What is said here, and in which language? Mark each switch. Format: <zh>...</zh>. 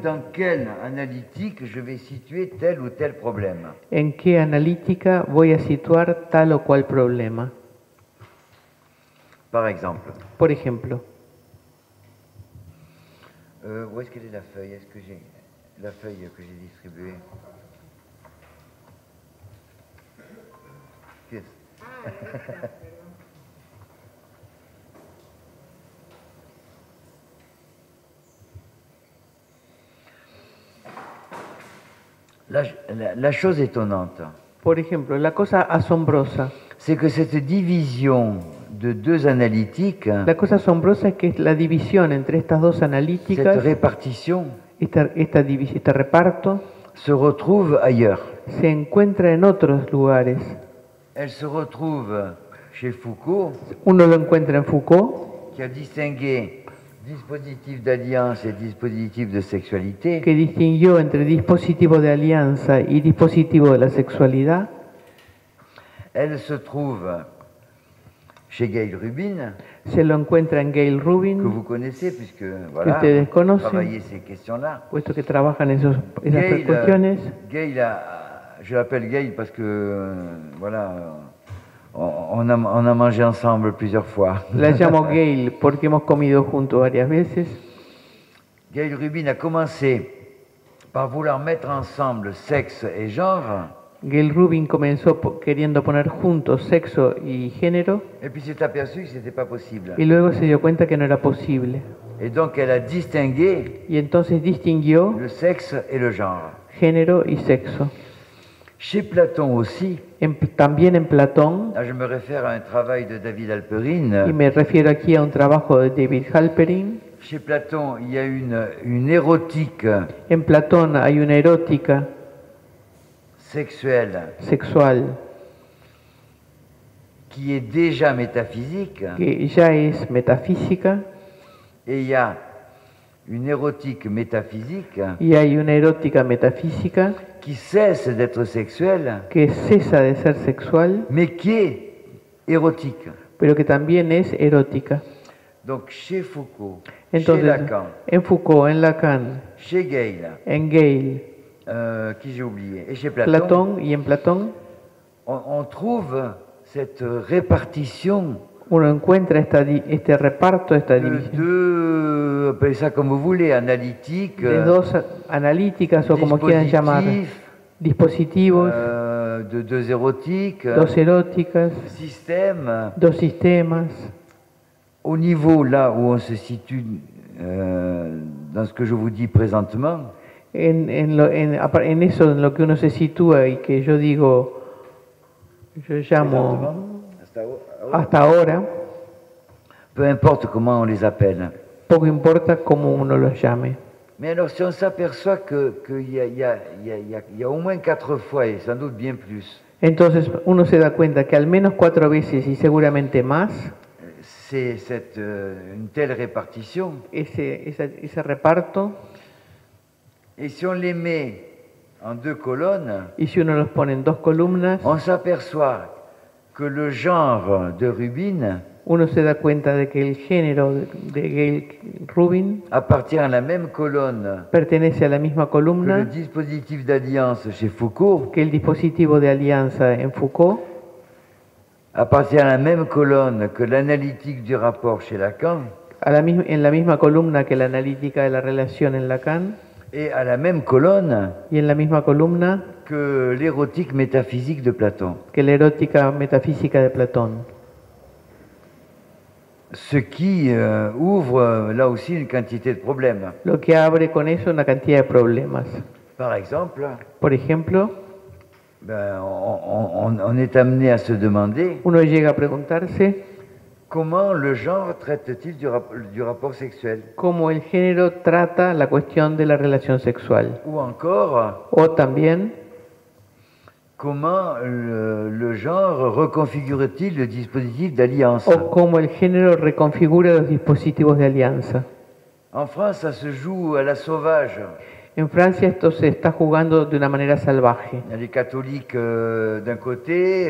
<fr>dans quelle analytique je vais situer tel ou tel problème.</fr> <es>¿En qué analítica voy a situar tal o cual problema? Por ejemplo.</es> <fr>Où est-ce qu'elle est la feuille? Est-ce que j'ai la feuille que j'ai distribuée?</fr> <en>Yes.</en> <fr>La chose étonnante.</fr> <es>Por ejemplo, la cosa asombrosa.</es> <fr>C'est que cette division de deux analytiques.</fr> <es>La cosa asombrosa es que es la división entre estas dos analíticas.</es> <fr>Cette répartition.</fr> <es>Este reparto.</es> <fr>Se retrouve ailleurs.</fr> <es>Se encuentra en otros lugares.</es> <fr>Elle se retrouve chez Foucault.</fr> <es>Uno lo encuentra en Foucault.</es> <fr>Qui a distingué. Dispositif d'alliance et dispositif de sexualité.</fr> <es>Que distinguió entre dispositivo de alianza y dispositivo de la sexualidad.</es> <fr>Elle se trouve chez Gail Rubin.</fr> <es>Se lo encuentra en Gail Rubin.</es> <fr>Que vous connaissez puisque voilà.</fr> <es>Que ustedes conocen.</es> <fr>Travaillez ces questions-là.</fr> <es>Puesto que trabajan esas cuestiones.</es> <fr>Gail, je l'appelle Gail parce que voilà. On a mangé ensemble plusieurs fois.</fr> <es>La llamo Gail porque hemos comido juntos varias veces.</es> <fr>Gail Rubin a commencé par vouloir mettre ensemble sexe et genre.</fr> <es>Gail Rubin comenzó queriendo poner juntos sexo y género.</es> <fr>Et puis s'est aperçu que c'était pas possible.</fr> <es>Y luego se dio cuenta que no era posible.</es> <fr>Et donc elle a distingué.</fr> <es>Y entonces distinguió.</es> <fr>Le sexe et le genre.</fr> <es>Género y sexo.</es> <fr>Chez Platon aussi.</fr> <es>También en Platón.</es> <fr>Ah, je me réfère à un travail de David Halperin.</fr> <es>Y me refiero aquí a un trabajo de David Halperin.</es> <fr>Chez Platon, il y a une érotique.</fr> <es>En Platón hay una erótica. Sexual. Que ya es metafísica.</es> <fr>Et il y a une érotique métaphysique.</fr> <es>Y hay una erótica metafísica</es> <fr>qui cesse d'être sexuelle.</fr> <es>Que cesa de ser sexual.</es> <fr>Mais qui est érotique.</fr> <es>Pero que también es erótica.</es> <fr>Donc chez Foucault,</fr> <es>entonces,</es> <fr>chez Lacan,</fr> <es>en Foucault, en Lacan,</es> <fr>chez Gale,</fr> <es>en Gale,</es> <fr>qui j'ai oublié, et chez Platon</fr> <es>y en Platón,</es> <fr>on trouve cette répartition.</fr> <es>Uno encuentra este reparto, esta división.</es> <fr>De, appelez ça comme vous voulez, analytique.</fr> <es>De dos analíticas o como quieran llamar. Dispositivos.</es> <fr>De deux érotiques.</fr> <es>Dos eróticas.</es> <fr>Système.</fr> <es>Dos sistemas.</es> <fr>Au niveau là où on se situe dans ce que je vous dis présentement.</fr> <es>En eso en lo que uno se sitúa y que yo digo, yo llamo. Hasta ahora,</es> <fr>peu importe comment on les appelle.</fr> <es>Poco importa cómo uno los llame.</es> <fr>Mais alors si on s'aperçoit qu'il y a au moins quatre fois et sans doute bien plus.</fr> <es>Entonces uno se da cuenta que al menos cuatro veces y seguramente más.</es> <fr>C'est cette une telle répartition.</fr> <es>Ese reparto.</es> <fr>Et si on les met en deux colonnes.</fr> <es>Y si uno los pone en dos columnas.</es> <fr>On s'aperçoit que le genre de Rubin,</fr> <es>uno se da cuenta de que el género de Gail Rubin</es> <fr>appartient à la même colonne,</fr> <es>pertenece a la misma columna,</es> <fr>que le dispositif d'alliance chez Foucault,</fr> <es>que el dispositivo de alianza en Foucault</es> <fr>appartient à la même colonne que l'analytique du rapport chez Lacan,</fr> <es>en la misma columna que la analítica de la relación en Lacan,</es> <fr>et à la même colonne,</fr> <es>y en la misma columna.</es> <fr>Que l'érotique métaphysique de Platon.</fr> <es>Que la erótica metafísica de Platón.</es> <fr>Ce qui ouvre là aussi une quantité de problèmes.</fr> <es>Lo que abre con eso una cantidad de problemas.</es> <fr>Par exemple.</fr> <es>Por ejemplo.</es> <fr>Ben, on est amené à se demander.</fr> <es>Uno llega a preguntarse.</es> <fr>Comment le genre traite-t-il du rapport sexuel?</fr> <es>Cómo el género trata la cuestión de la relación sexual.</es> <fr>Ou encore.</fr> <es>O también.</es> <fr>Comment le genre reconfigure-t-il le dispositif d'alliance?</fr> <es>O cómo el género reconfigura los dispositivos de alianza.</es> <fr>En France, ça se joue à la sauvage.</fr> <es>En Francia esto se está jugando de una manera salvaje.</es> <fr>Les catholiques d'un côté.</fr>